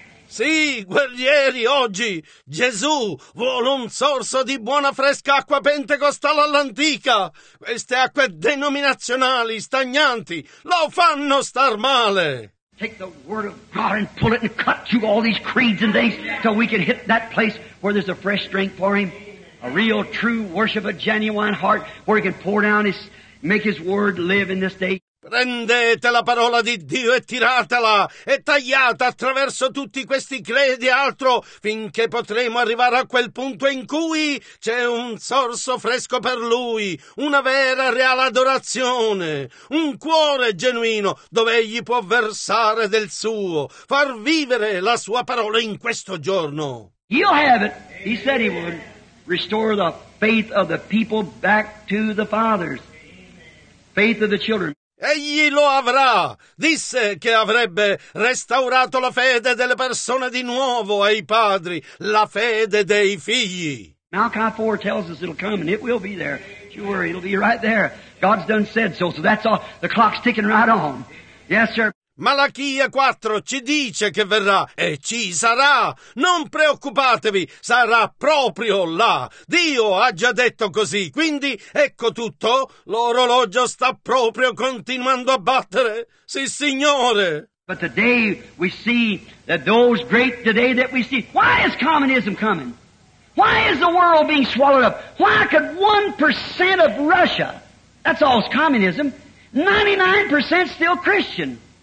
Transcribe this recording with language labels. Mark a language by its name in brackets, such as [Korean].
[Italian] Sì, guerrieri, oggi Gesù vuole un sorso di buona fresca acqua pentecostale all'antica. Queste acque denominazionali, stagnanti, lo fanno star male. [English] Take the word of God and pull it and cut through all these creeds and things till we can hit that place where there's a fresh strength for him. A real, true worship, a genuine heart where he can pour down his, make his word live in this day. [Italian] Prendete la parola di Dio e tiratela e tagliate attraverso tutti questi credi e altro finché potremo arrivare a quel punto in cui c'è un sorso fresco per Lui, una vera e reale adorazione, un cuore genuino dove Egli può versare del Suo, far vivere la Sua parola in questo giorno. [English] You have it. He said He would restore the faith of the people back to the fathers. Faith of the children. [Italian] Egli lo avrà, disse che avrebbe restaurato la fede delle persone di nuovo ai padri, la fede dei figli. [English] Malachi 4 tells us it'll come and it will be there. Sure, it'll be right there. God's done said so, so that's all. The clock's ticking right on. Yes, sir. [Italian] Malachia 4 ci dice che verrà e ci sarà. Non preoccupatevi, sarà proprio là. Dio ha già detto così, quindi ecco tutto. L'orologio sta proprio continuando a battere. Sì, Signore. [English] But today we see that those great today that we see. Why is communism coming? Why is the world being swallowed up? Why could 1% of Russia, that's all is communism, 99% still Christian?